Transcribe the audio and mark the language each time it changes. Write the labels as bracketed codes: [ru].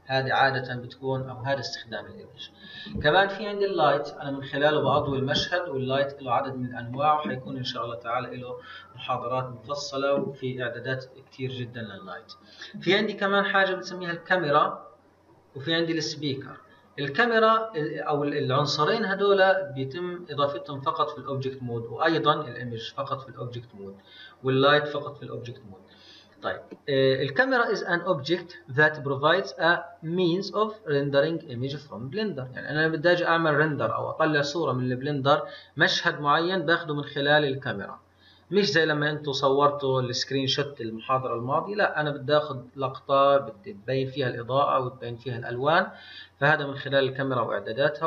[ar] هذه عادة بتكون أو هذا استخدام الإيمج. كمان في عندي اللايت، أنا من خلاله بأضوي المشهد، واللايت له عدد من الأنواع، وحيكون إن شاء الله تعالى له محاضرات مفصلة وفي إعدادات كتير جدا لللايت. في عندي كمان حاجة بنسميها الكاميرا، وفي عندي السبيكر. الكاميرا أو العنصرين هذولا بيتم إضافتهم فقط في الأوبجكت مود، وأيضا الإيمج فقط في الأوبجكت مود، واللايت فقط في الأوبجكت مود. طيب الكاميرا [en] is an object that provides a means of rendering image from blender. [ar] يعني انا بدي اجي اعمل رندر او اطلع صوره من البلندر مشهد معين باخده من خلال الكاميرا، مش زي لما انتم صورتوا السكرين شوت المحاضره الماضيه، لا انا بدي اخذ لقطه بدي تبين فيها الاضاءه وتبين فيها الالوان، فهذا من خلال الكاميرا واعداداتها.